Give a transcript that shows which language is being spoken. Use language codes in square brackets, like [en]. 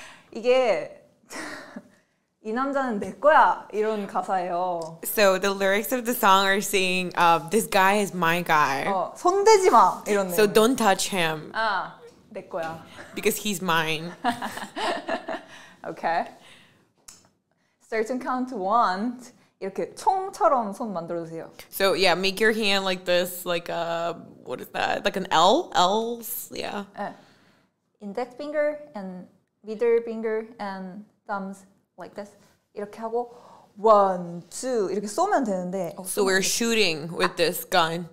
[ko] 이게 이 남자는 내 거야 이런 가사예요. [en] So the lyrics of the song are saying, "This guy is my guy." [ko] 손대지 마 이런. [en] So don't touch him. [ko] 아, 내 거야. [en] Because he's mine. Okay. Start and count to one. [ko] 이렇게 총처럼 손 만들어주세요. [en] So yeah, make your hand like this, like a what is that? Like an L? L's? Yeah. Index finger and middle finger and thumbs. Like this. [ko] 이렇게 하고 [en] one, two [ko] 이렇게 쏘면 되는데 [en] So we're shooting with this gun.